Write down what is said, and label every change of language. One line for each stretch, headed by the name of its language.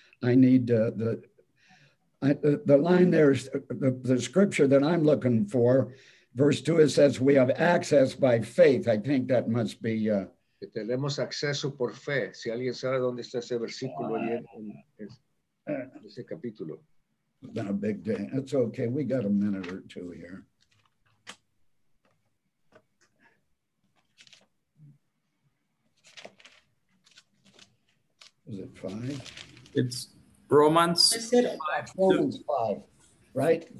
English: I need the line there is the scripture that I'm looking for. Verse 2, it says, we have access by faith. I think that must be.
Spanish: Tenemos acceso por fe. Si alguien sabe dónde está ese versículo ahí en ese capítulo.
English: Not a big day. That's okay. We got a minute or two here. Is it five? It's Romans 5. Romans 5, right?